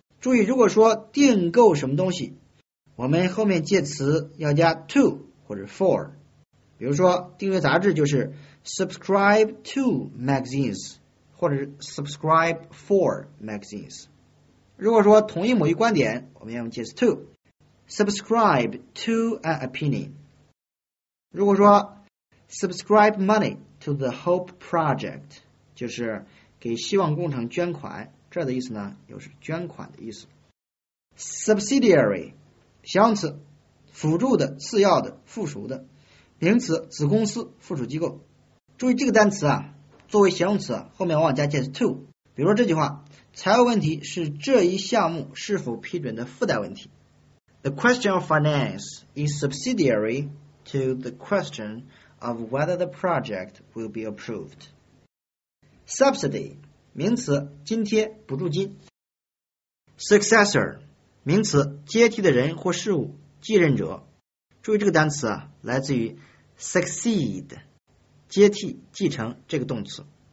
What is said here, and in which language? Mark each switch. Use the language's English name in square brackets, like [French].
[Chinese] 注意，如果说订购什么东西，我们后面介词要加 to 或者 for, 比如说订阅杂志就是 subscribe to magazines, 或者是 subscribe for magazines。如果说同意某一观点，我们要用介词 to。 [English] subscribe to an opinion. [Chinese] 如果说 subscribe money to the Hope Project, 就是给希望工程捐款，这的意思呢，又是捐款的意思。 Subsidiary, 形容词，辅助的，次要的，附属的，名词，子公司，附属机构。注意这个单词啊，作为形容词，后面往往加介词 to。比如说这句话，财务问题是这一项目是否批准的附带问题。 [English] The question of finance is subsidiary to the question of whether the project will be approved. [Chinese] Subsidy, 名词，津贴，补助金。Successor, 名词，接替的人或事物，继任者。注意这个单词啊，来自于 succeed, 接替，继承这个动词。